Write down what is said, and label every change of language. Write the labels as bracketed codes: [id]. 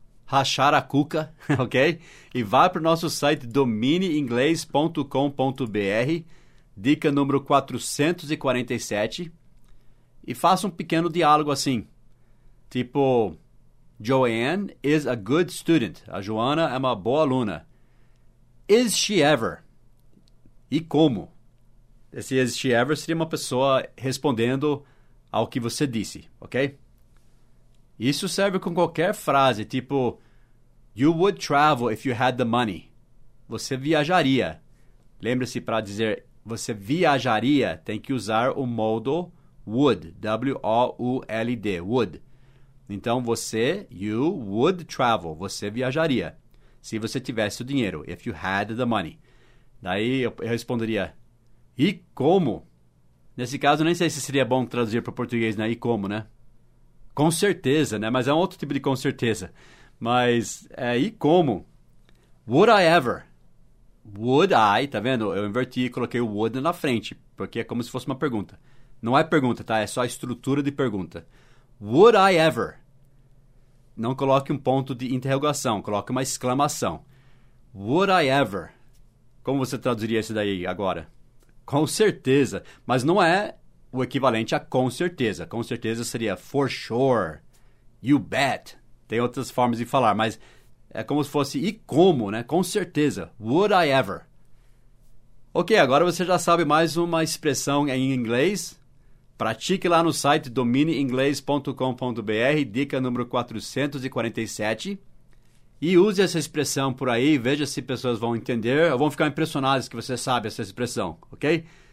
[pt] rachar a cuca, ok? E vá para o nosso site domineinglês.com.br, dica número 447, e faça um pequeno diálogo assim, tipo, [en] Joanne is a good student. [pt] A Joana é uma boa aluna. [en] Is she ever? [pt] E como? Esse is she ever seria uma pessoa respondendo ao que você disse, ok? Isso serve com qualquer frase, tipo, [en] you would travel if you had the money. [pt] Você viajaria. Lembre-se, para dizer você viajaria, tem que usar o modal would, W-O-U-L-D, would. Então, você, [en] you would travel, [pt] você viajaria, se você tivesse o dinheiro, [en] if you had the money. [pt] Daí, eu responderia, e como? Nesse caso, nem sei se seria bom traduzir para português, né? E como, né? Com certeza, né? Mas é um outro tipo de com certeza. Mas, é, e como? [en] Would I ever? [pt] Would I, tá vendo? Eu inverti e coloquei o would na frente, porque é como se fosse uma pergunta. Não é pergunta, tá? É só a estrutura de pergunta. [en] Would I ever? [pt] Não coloque um ponto de interrogação, coloque uma exclamação. [en] Would I ever? [pt] Como você traduziria isso daí agora? Com certeza, mas não é o equivalente a com certeza. Com certeza seria [en] for sure, you bet. [pt] Tem outras formas de falar, mas é como se fosse e como, né? Com certeza, [en] would I ever? [pt] Ok, agora você já sabe mais uma expressão em inglês. Pratique lá no site domineinglês.com.br, dica número 447. E use essa expressão por aí, veja se pessoas vão entender ou vão ficar impressionadas que você sabe essa expressão, ok?